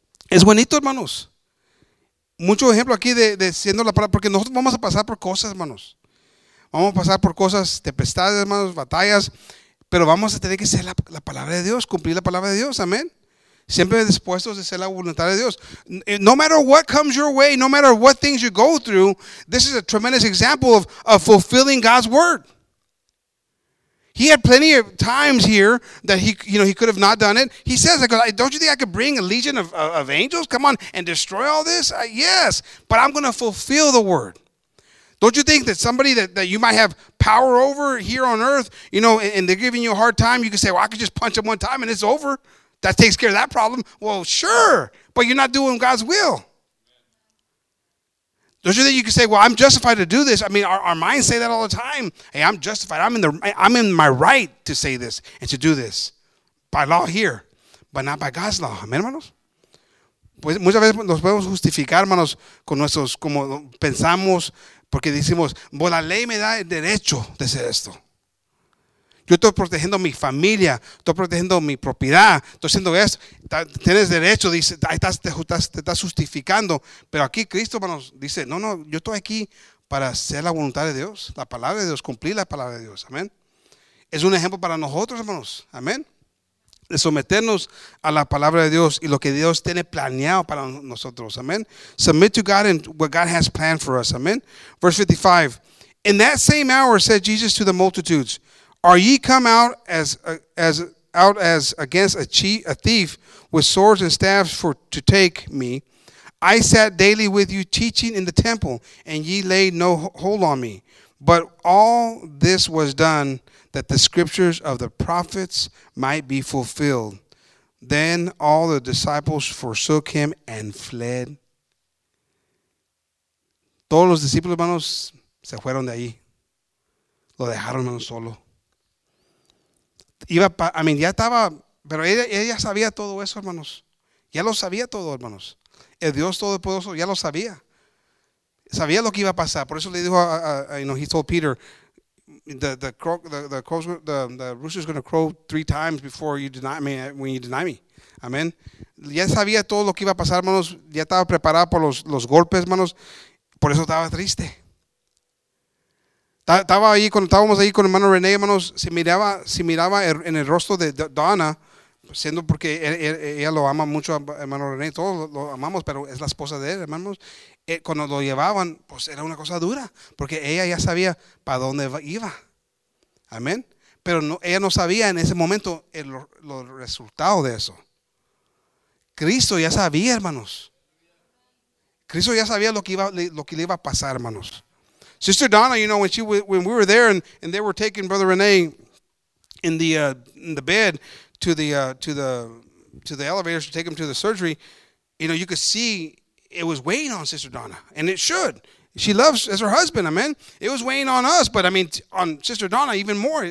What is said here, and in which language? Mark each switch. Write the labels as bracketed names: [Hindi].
[Spanish] Es bonito, hermanos. Mucho ejemplo aquí de siendo la palabra, porque nosotros vamos a pasar por cosas, hermanos. Vamos a pasar por cosas, tempestades, hermanos, batallas, pero vamos a tener que ser la palabra de Dios, cumplir la palabra de Dios, amén. Siempre dispuestos a ser la voluntad de Dios. [English] No matter what comes your way, no matter what things you go through, this is a tremendous example of fulfilling God's word. He had plenty of times here that he could have not done it. He says, don't you think I could bring a legion of angels? Come on, and destroy all this? Yes, but I'm going to fulfill the word. Don't you think that somebody that you might have power over here on earth, and they're giving you a hard time, you can say, well, I could just punch them one time and it's over. That takes care of that problem. Well, sure, but you're not doing God's will. Don't you think you could say, well, I'm justified to do this? I mean, our minds say that all the time. Hey, I'm justified. I'm in my right to say this and to do this by law here, but not by God's law. [Spanish] Amen, hermanos? Pues muchas veces nos podemos justificar, hermanos, con nuestros, como pensamos, porque decimos, bueno, la ley me da el derecho de hacer esto. Yo estoy protegiendo mi familia, estoy protegiendo mi propiedad, estoy haciendo esto. Tienes derecho, dice, te estás justificando. Pero aquí Cristo, hermanos, dice, no, no, yo estoy aquí para hacer la voluntad de Dios, la palabra de Dios, cumplir la palabra de Dios. Amén. Es un ejemplo para nosotros, hermanos. Amén. De someternos a la palabra de Dios y lo que Dios tiene planeado para nosotros. Amén. [English] Submit to God and what God has planned for us. Amén. Verse 55. In that same hour said Jesus to the multitudes, are ye come out as against a thief with swords and staffs for to take me? I sat daily with you teaching in the temple, and ye laid no hold on me. But all this was done that the scriptures of the prophets might be fulfilled. Then all the disciples forsook him and fled. [Spanish] Todos los discípulos, hermanos, se fueron de ahí. Lo dejaron, hermanos, solo. Iba para, [English] I mean, [Spanish] ya estaba, pero ella sabía todo eso, hermanos. Ya lo sabía todo, hermanos. El Dios Todopoderoso ya lo sabía. Sabía lo que iba a pasar. Por eso le dijo, [English] he told Peter, the rooster is going to crow 3 times before you deny me, when you deny me. Amen. [Spanish] Ya sabía todo lo que iba a pasar, hermanos. Ya estaba preparado por los golpes, hermanos. Por eso estaba triste. Estaba ahí, cuando estábamos ahí con el hermano René, hermanos, se miraba en el rostro de Donna, siendo porque ella lo ama mucho, hermano René, todos lo amamos, pero es la esposa de él, hermanos. Cuando lo llevaban, pues era una cosa dura, porque ella ya sabía para dónde iba. Amén. Pero no, ella no sabía en ese momento los resultados de eso. Cristo ya sabía, hermanos. Cristo ya sabía lo que le iba a pasar, hermanos. [English] Sister Donna, you know, when we were there and they were taking Brother Rene in the bed to the elevators to take him to the surgery, you know, you could see it was weighing on Sister Donna, and it should. She loves as her husband, amen. It was weighing on us, but I mean, on Sister Donna even more.